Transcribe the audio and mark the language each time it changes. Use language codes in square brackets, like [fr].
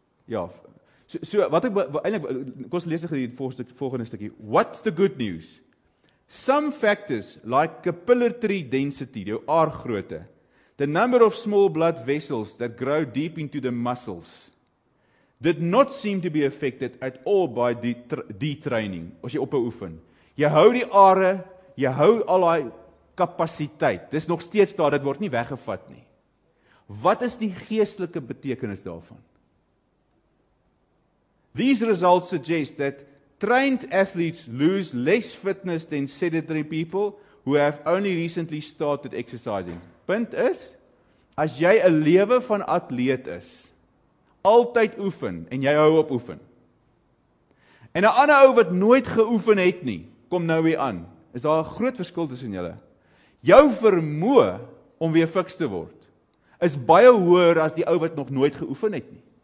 [af] Ja, so wat ek eintlik kos lees ek die volgende stukkie. [en] What's the good news? Some factors like capillary density, [af] jou aargrootte, [en] the number of small blood vessels that grow deep into the muscles, did not seem to be affected at all by detraining, [af] as jy ophou oefen. Jy hou die are, jy hou al die kapasiteit, dis nog steeds daar, dit word nie weggevat nie. Wat is die geestelike betekenis daarvan? [en] These results suggest that trained athletes lose less fitness than sedentary people who have only recently started exercising. [af] Punt is, as jy 'n lewe van atleet is, altyd oefen en jy hou op oefen. En 'n ander ou wat nooit geoefen het nie, kom nou weer aan. Is daar 'n groot verskil tussen julle? Jou vermoë om weer fiks te word is baie hoër as die ou wat nog nooit geoefen het nie.